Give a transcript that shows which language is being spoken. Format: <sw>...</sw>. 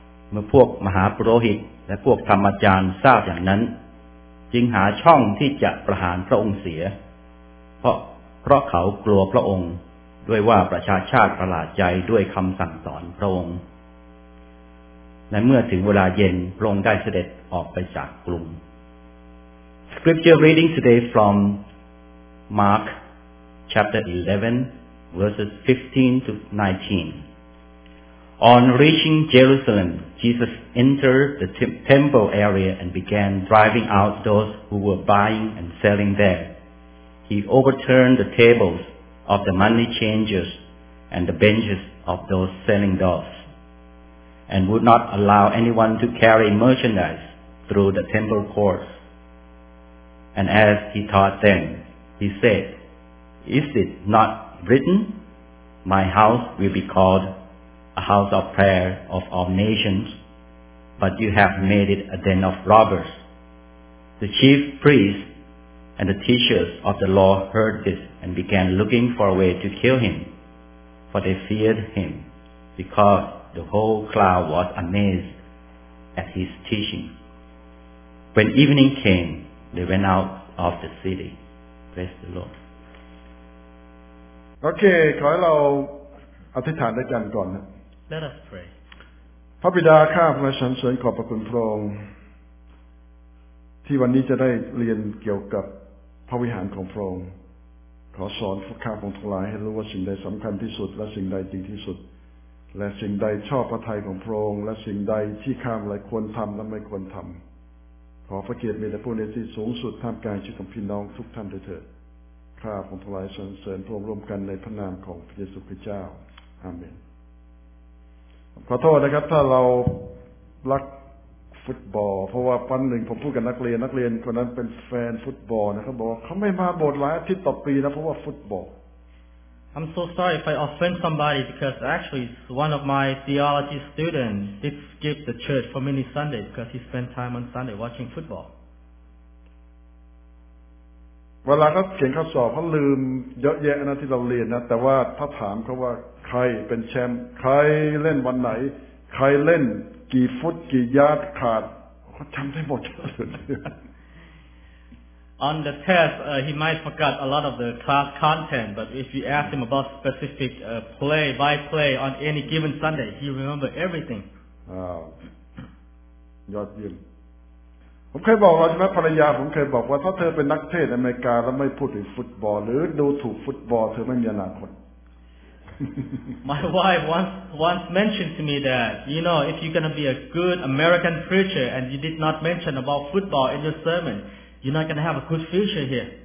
<th>เมื่อพวกมหาปุโรหิตและพวกธรรมอาจารย์ทราบอย่างนั้นจึงหาช่องที่จะประหารพระองค์เสียเพราะเขากลัวพระองค์ด้วยว่าประชาชาติประหลาดใจด้วยคำสั่งสอนพระองค์และเมื่อถึงเวลาเย็นพระองค์ได้เสด็จออกไปจากกรุง</th> <en>Scripture reading today from Mark chapter 11 verses 15 to 19. On reaching Jerusalem, Jesus entered the temple area and began driving out those who were buying and selling there. He overturned the tables of the money changers and the benches of those selling doves, and would not allow anyone to carry merchandise through the temple courts. And as he taught them, he said, Is it not written, My house will be called a house of prayer of all nations, but you have made it a den of robbers? The chief priests,And the teachers of the law heard this and began looking for a way to kill him, for they feared him, because the whole crowd was amazed at his teaching. When evening came, they went out of the city. Praise the Lord.</en> <th>Okay, ขอให้เราอธิษฐานด้วยกันก่อน</th> <en>Let us pray.</en> <th>พระบิดาข้าพระสรรเสริญขอบพระคุณพระองค์ที่วันนี้จะได้เรียนเกี่ยวกับพระวิหารของพระองค์ขอสอนข้าพระองค์ทั้งหลายให้รู้ว่าสิ่งใดสำคัญที่สุดและสิ่งใดจริงที่สุดและสิ่งใดชอบพระทัยของพระองค์และสิ่งใดที่ข้าพระองค์ควรทำและไม่ควรทำขอพระเกียรติมีแด่พระในที่สูงสุดท่ามกลางชีวิตของพี่น้องทุกท่านด้วยเถิดข้าพระองค์ทั้งหลายสรรเสริญพระองค์ร่วมกันในพระนามของพระเยซูคริสต์เจ้าอาเมน ขอโทษนะครับถ้าเราลักฟุตบอลเพราะว่าปันหนึ่งผมพูดกับนักเรียนนักเรียนคนนั้นเป็นแฟนฟุตบอลนะครับบอกว่าเขาไม่มาโบสถ์หลายอาทิตย์ต่อปีนะเพราะว่าฟุตบอล</th> <en>I'm so sorry if I offend somebody because actually one of my theology students did skip the church for many Sundays because he spent time on Sunday watching football</en> <th>เวลาเขาเขียนข้อสอบเขาลืมเยอะแยะนะที่เราเรียนนะแต่ว่าถ้าถามเขาว่าใครเป็นแชมป์ใครเล่นวันไหนใครเล่นกี่ฟุตกี่ยาดขาดเขาจำได้หมดเลย</th> <en>On the test he might forget a lot of the class content but if you ask him about specific play by play on any given Sunday he remember everything</en> <th>ยอดเยี่ยมผมเคยบอกเราใช่ไหมภรรยาผมเคยบอกว่าถ้าเธอเป็นนักเทศในอเมริกาแล้วไม่พูดถึงฟุตบอลหรือดูถูกฟุตบอลเธอไม่มีอนาคต</th> <en>My wife once mentioned to me that, you know, if you're going to be a good American preacher and you did not mention about football in your sermon, you're not going to have a good future here.</en>